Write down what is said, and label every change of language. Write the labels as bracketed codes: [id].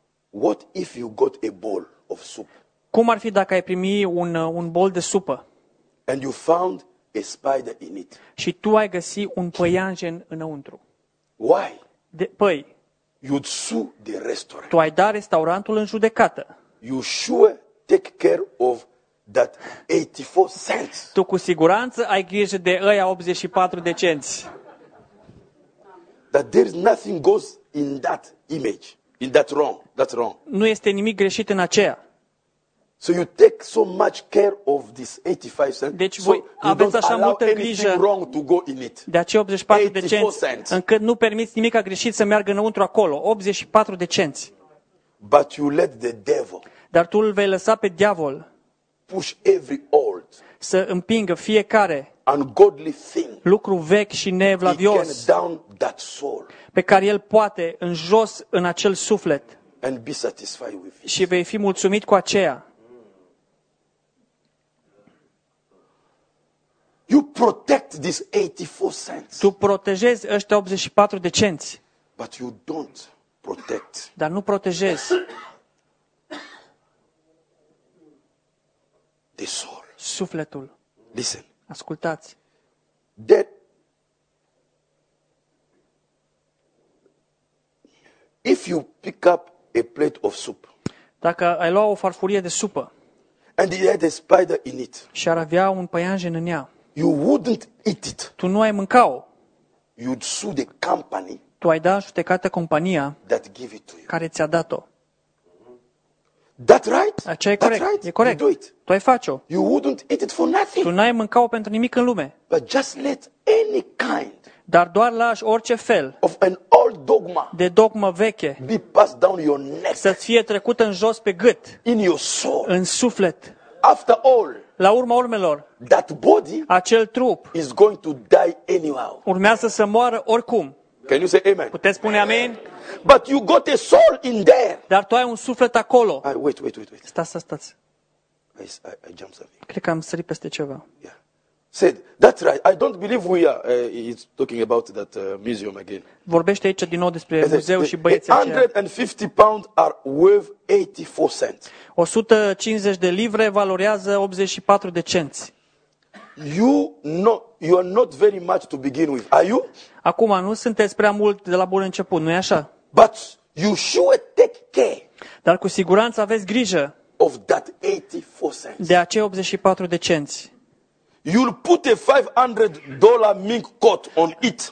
[en] What if you got a bowl of soup? [ro] Cum ar fi dacă ai primi un bol de supă? [en] And you found a spider in it. [ro] Și tu ai găsi un păianjen înăuntru. [en] Why? [ro] Păi. [en] You'd sue the restaurant. [ro] Tu ai da restaurantul în judecată. [en] You sure take care of that 84 cents. [ro] Tu cu siguranță ai grijă de ăia 84 de cenți. [en] That there's nothing goes in that image, in that wrong, that's wrong. [ro] Nu este nimic greșit în aceea. [en] So you take so much care of this 85 cents. [ro] Deci voi aveți așa multă grijă. [en] Wrong to go in it. [ro] De aceea 84 de cenți. Încât nu permiți nimic greșit să meargă înăuntru acolo, 84 de cenți. [en] But you let the devil. [ro] Dar tu îl vei lăsa pe diavol. [en] Push every old. [ro] Să împingă fiecare. [en] Ungodly thing. [ro] Lucru vechi și nevlavios. [en] That soul. [ro] Pe care el poate în jos în acel suflet [en] and be satisfied with it. [ro] Și vei fi mulțumit cu aceea. [en] protect these 84 cents. [ro] Tu protejezi ăștia 84 de cenți. [en] But you don't protect. [ro] Dar nu protejezi. [en] The soul. [ro] Sufletul. [en] Listen. [ro] Ascultați. [en] That if you pick up a plate of soup. [ro] Dacă ai lua o farfurie de supă. [en] And it had a spider in it. [ro] Și ar avea un păianjen în ea. [en] You wouldn't eat it. [ro] Tu nu ai mânca-o. [en] You'd sue the company. [ro] Tu ai da judecată compania [en] that give it to you. [ro] Care ți-a dat-o. [en] That right? [ro] Aceea e corect. [en] Right. [ro] E corect. [en] You do it. [ro] Tu ai face-o. [en] You wouldn't eat it for nothing. [ro] Tu n-ai mânca-o pentru nimic în lume. [en] But just let any kind. [ro] Dar doar lași orice fel. [en] Of an old dogma. [ro] De dogmă veche. [en] Be passed down your neck. [ro] Să-ți fie trecută în jos pe gât. [en] In your soul. [ro] În suflet. [en] After all. [ro] La urma urmelor. [en] That body. [ro] Acel trup. [en] Is going to die anyhow. [ro] Urmează să moară oricum. [en] Can you say amen? [ro] Puteți spune amen? [en] But you got a soul in there. [ro] Dar tu ai un suflet acolo. [en] I, wait, wait, wait, wait. [ro] Stați. [en] I jump something. [ro] Cred că am sărit peste ceva. [en] Yeah. Said, that's right. I don't believe we are he's talking about that museum again. [ro] Vorbește aici din nou despre muzeu și băieții. [en] 150 pounds are worth 84 cents. [ro] 150 de livre valorează 84 de cenți. [en] You know, you are not very much to begin with. Are you? [ro] Acum nu sunteți prea mult de la bun început, nu e așa? [en] But you sure take care. [ro] Dar cu siguranță aveți grijă. [en] Of that 84 cents. [ro] De acei 84 de cenți. [en] You'll put a $500 mink coat on it.